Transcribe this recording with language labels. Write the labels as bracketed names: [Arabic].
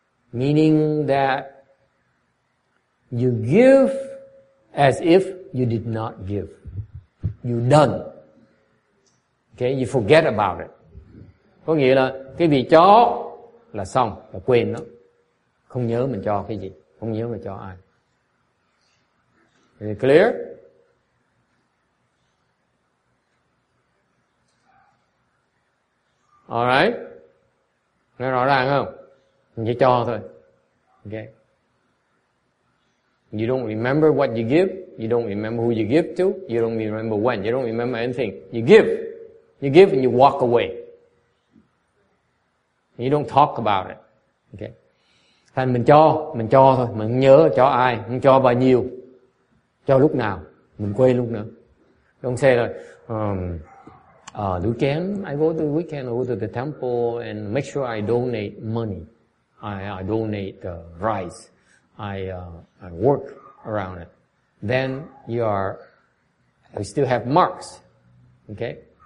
[English] Meaning that you give as if you did not give. You done. Okay, you forget about it. [Vietnamese] Có nghĩa là cái vị chó là xong, là quên nó. Không nhớ mình cho cái gì, không nhớ mình cho ai. [English] Is it clear? All right. [Vietnamese] Nghe rõ ràng không? Mình chỉ cho thôi. Okay. [English] You don't remember what you give. You don't remember who you give to. You don't remember when. You don't remember anything. You give. You give and you walk away. You don't talk about it. Okay. [Vietnamese] Thành mình cho thôi. Mình không nhớ cho ai, không cho bao nhiêu, cho lúc nào, mình quên lúc nữa. [English] Don't say that. I go to the weekend, I go to the temple and make sure I donate money. I donate rice. I work around it. Then you are, we still have marks. Okay?